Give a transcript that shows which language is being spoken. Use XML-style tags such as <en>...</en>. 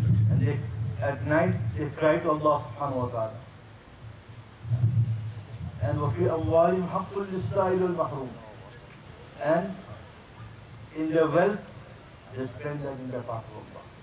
<en>And they, at night, they cry to Allah subhanahu wa ta'ala. And</en> <ar>وَفِي أَمْوَالِهِمْ حَقٌّ لِلسَّائِلِ وَالْمَحْرُومِ.</ar> <en>And in their wealth, they spend that in the path of Allah.</en>